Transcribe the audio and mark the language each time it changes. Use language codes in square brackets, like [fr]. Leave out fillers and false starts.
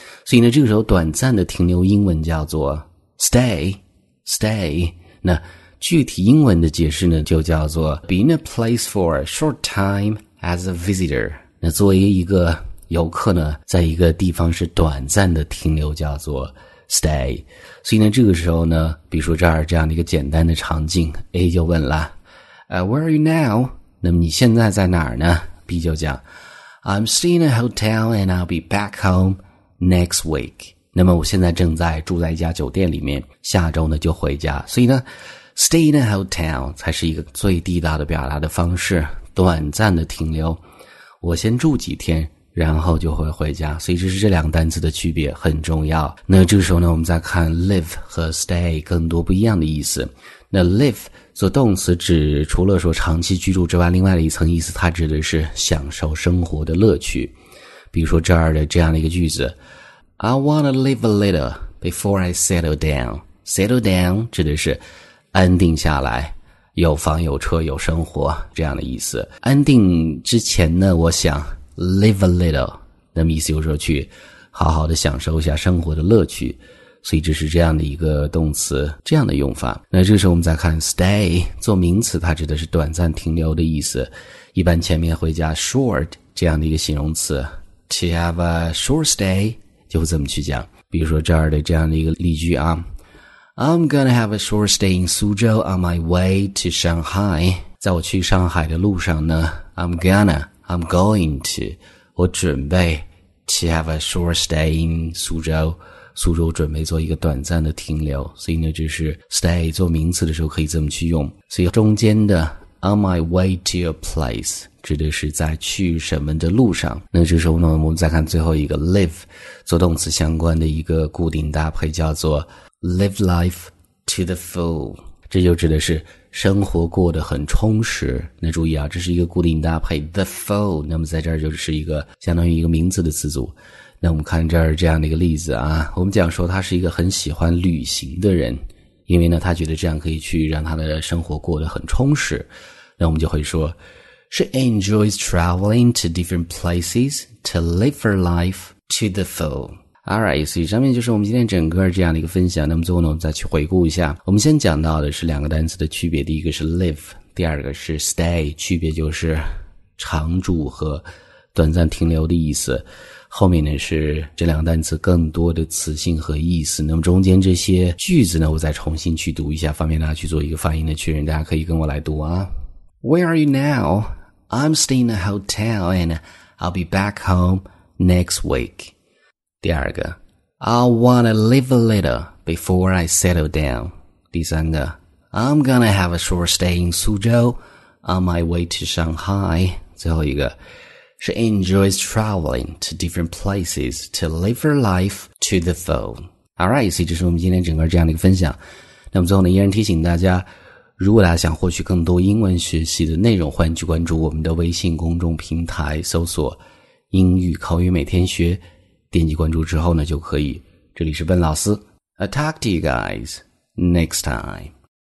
[zh] 所以呢这个时候短暂的停留英文叫做 stay, 那具体英文的解释呢就叫做 [en] be in a place for a short time as a visitor, [zh] 那作为一个游客呢在一个地方是短暂的停留叫做 stay。所以呢这个时候呢，比如说这儿这样的一个简单的场景， A 就问了 [en] Where are you now? [zh] 那么你现在在哪儿呢？ B 就讲 [en] I'm staying in a hotel and I'll be back home next week, [zh] 那么我现在正在住在一家酒店里面，下周呢就回家。所以呢 [en] stay in a hotel [zh] 才是一个最地道的表达的方式，短暂的停留，我先住几天然后就会回家。所以这是这两个单词的区别，很重要。那这个时候呢，我们再看 live 和 stay 更多不一样的意思。那 live 做动词指除了说长期居住之外，另外的一层意思它指的是享受生活的乐趣。比如说这儿的这样的一个句子， [en] I want to live a little before I settle down. [zh] Settle down 指的是安定下来，有房有车有生活这样的意思。安定之前呢，我想 [en] live a little, [zh] 那么意思就是说去好好的享受一下生活的乐趣。所以这是这样的一个动词，这样的用法。那这时候我们再看 stay, 做名词它指的是短暂停留的意思，一般前面会加 short 这样的一个形容词， [en] to have a short stay, [zh] 就会这么去讲。比如说这儿的这样的一个例句啊， [en] I'm gonna have a short stay in Suzhou on my way to Shanghai. [zh] 在我去上海的路上呢， [en] I'm going to, [zh] 我准备 [en] to have a short stay in Suzhou, [zh] 苏州准备做一个短暂的停留。所以呢就是 stay 做名词的时候可以这么去用。所以中间的 [en] on my way to a place, [zh] 指的是在去什么的路上。那这时候呢，我们再看最后一个 live, 做动词相关的一个固定搭配叫做 [en] live life to the full, [zh] 这就指的是生活过得很充实。那注意啊，这是一个固定搭配 the full, 那么在这儿就是一个相当于一个名词的词组。那我们看这儿这样的一个例子啊，我们讲说他是一个很喜欢旅行的人，因为呢他觉得这样可以去让他的生活过得很充实。那我们就会说 [en] She enjoys traveling to different places to live her life to the full. [zh] Alright, 所以上面就是我们今天整个这样的一个分享。那么最后呢，我们再去回顾一下。我们先讲到的是两个单词的区别，第一个是 live, 第二个是 stay, 区别就是常住和短暂停留的意思。后面呢是这两个单词更多的词性和意思。那么中间这些句子呢，我再重新去读一下，方便大家去做一个发音的确认，大家可以跟我来读啊。 [en] Where are you now? I'm staying in a hotel and I'll be back home next week. [zh] 第二个 [en] I want to live a little before I settle down. [zh] 第三个 [en] I'm gonna have a short stay in Suzhou on my way to Shanghai. [zh] 最后一个 [en] She enjoys traveling to different places to live her life to the full. [zh] Alright, 所以这是我们今天整个这样的一个分享。那么最后呢，依然提醒大家，如果大家想获取更多英文学习的内容，欢迎去关注我们的微信公众平台，搜索英语口语每天学，点击关注之后呢就可以。这里是笨老师， [en] I'll talk to you guys next time.